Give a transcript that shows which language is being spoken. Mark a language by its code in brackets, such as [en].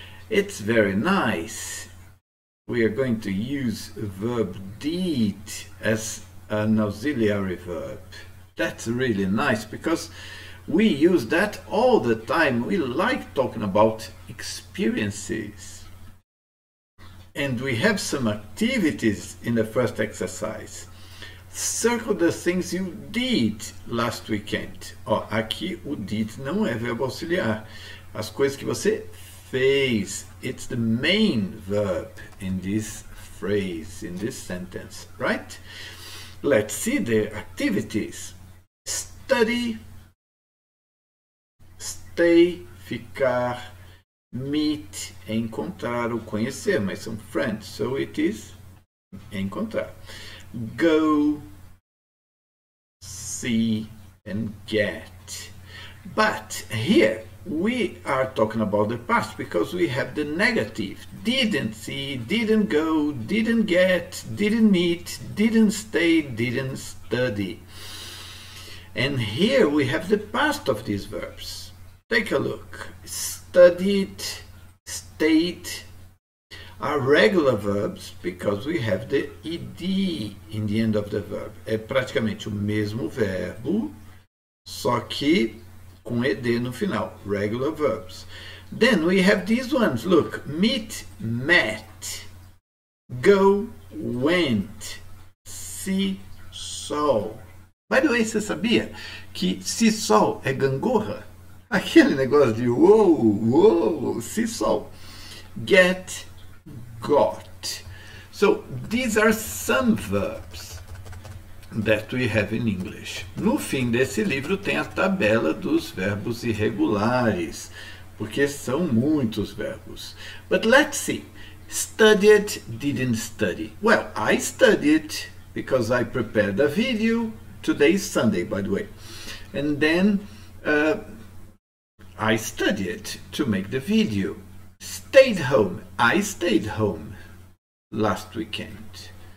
[en] It's very nice. We are going to use verb did as an auxiliary verb. That's really nice because we use that all the time. We like talking about experiences. And we have some activities in the first exercise. Circle the things you did last weekend. [pt] Ó, aqui o did não é verbo auxiliar. As coisas que você fez. [en] It's the main verb in this phrase, in this sentence, right? Let's see the activities. Study, stay, [pt] ficar, [en] meet, [pt] encontrar ou conhecer, mas são [en] friends, so it is [pt] encontrar. [en] Go, see, and get. But here we are talking about the past because we have the negative. Didn't see, didn't go, didn't get, didn't meet, didn't stay, didn't study. And here we have the past of these verbs. Take a look. Studied, stayed are regular verbs because we have the ed in the end of the verb. [pt] É praticamente o mesmo verbo, só que com ed no final. [en] Regular verbs. Then we have these ones. Look, meet, met. Go, went. See, saw. By the way, [pt] você sabia que se sol é gangorra? Aquele negócio de uou, uou, se sol. [en] Get, got. So, these are some verbs that we have in English. [pt] No fim desse livro tem a tabela dos verbos irregulares, porque são muitos verbos. [en] But let's see. Studied, didn't study. Well, I studied because I prepared a video. Today is Sunday, by the way. And then I studied to make the video. Stayed home. I stayed home last weekend.